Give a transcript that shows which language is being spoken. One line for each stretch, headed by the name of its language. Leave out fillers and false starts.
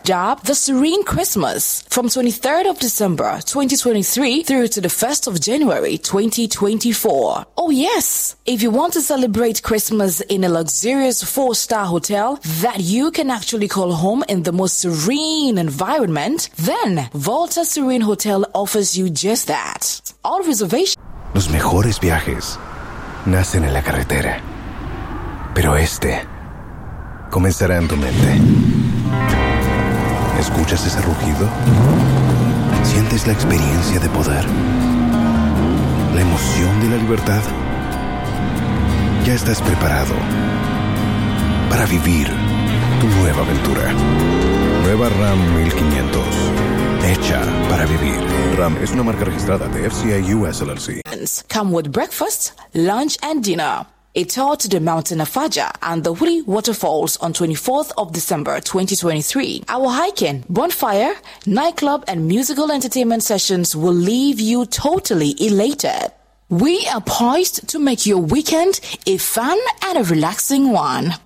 English: Dubbed the Serene Christmas from 23rd of December 2023 through to the 1st of January 2024. Oh yes, if you want to celebrate Christmas in a luxurious four-star hotel that you can actually call home in the most serene environment, then Volta Serene Hotel offers you just that. All reservations.
Spanish: Los mejores viajes nacen en la carretera, pero este comenzará en tu mente. ¿Escuchas ese rugido? ¿Sientes la experiencia de poder? ¿La emoción de la libertad? Ya estás preparado para vivir tu nueva aventura. Nueva Ram 1500. Hecha para vivir. Ram es una marca registrada de FCA US LLC.
English: Come with breakfast, lunch and dinner. A tour to the mountain of Faja and the Huli waterfalls on 24th of December 2023. Our hiking, bonfire, nightclub and musical entertainment sessions will leave you totally elated. We are poised to make your weekend a fun and a relaxing one.